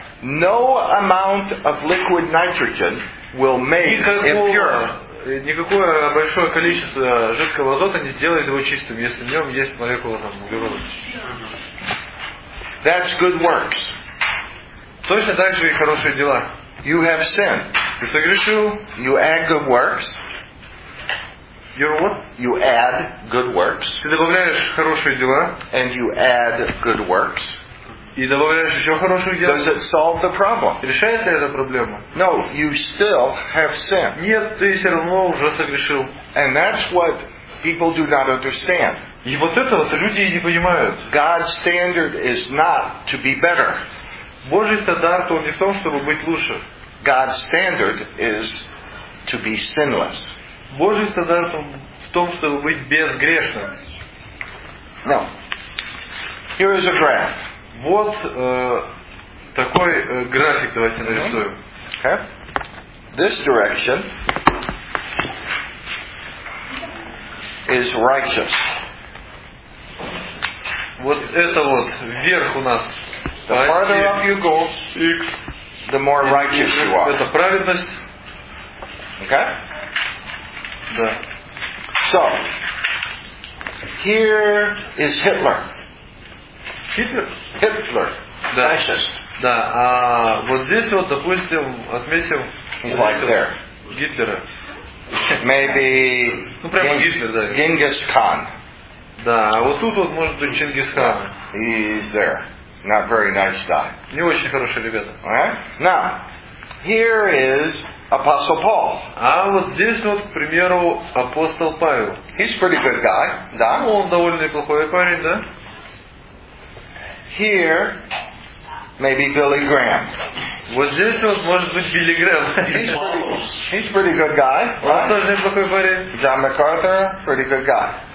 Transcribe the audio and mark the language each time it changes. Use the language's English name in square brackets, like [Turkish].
[English] No amount of liquid nitrogen will make it pure. [Russian] Никакое большое количество жидкого азота не сделает его чистым, если в нем есть молекула там углерода. [English] That's good works. [Russian] Точно так же и хорошие дела. [English] You have sin. [Russian] Ты согрешил. [English] You add good works. You're what? You add good works. [Russian] Ты добавляешь хорошие дела. [English] And you add good works. [Russian] И добавляешь еще хорошие дела. [English] Does it solve the problem? [Russian] Решает ли эта проблема? [English] No, you still have sin. [Russian] Нет, ты все равно уже согрешил. [English] And that's what people do not understand. [Russian] И вот это вот люди и не понимают. [English] God's standard is not to be better. [Russian] Божий стандарт не в том, чтобы быть лучше. [English] God's standard is to be sinless. [Russian] Божий стандарт в том, чтобы быть безгрешным. [English] No. Here is a graph. [Russian] Вот такой график давайте нарисуем. [English] Okay. This direction is righteous. [Russian] Вот это вот вверх у нас. [English] The farther up you go, the more righteous you are. [Russian] Это праведность. [English] Okay? [Russian] Да. [English] So, here is Hitler. Hitler. [Russian] Да. Fascist. Да. А вот здесь вот, допустим, отметим. [English] He's like there. [Russian] Гитлера. [English] Maybe. [Russian] Ну прямо Гитлер, да. [English] Genghis Khan. [Russian] Да. А вот тут вот может быть Чингис Хан. [English] He's there. Not very nice guy. [Russian] Не очень хорошие ребята. [English] Right? Now, here is Apostle Paul. [Russian] А вот здесь вот, к примеру, апостол Павел. [English] He's pretty good guy. Да. [Russian] Ну, он довольно неплохой парень, да? [English] Here, maybe Billy Graham. [Russian] Вот здесь вот может быть Билли Грэм. [English] He's pretty good guy. [Russian] Он тоже неплохой парень. [English] John MacArthur, pretty good guy.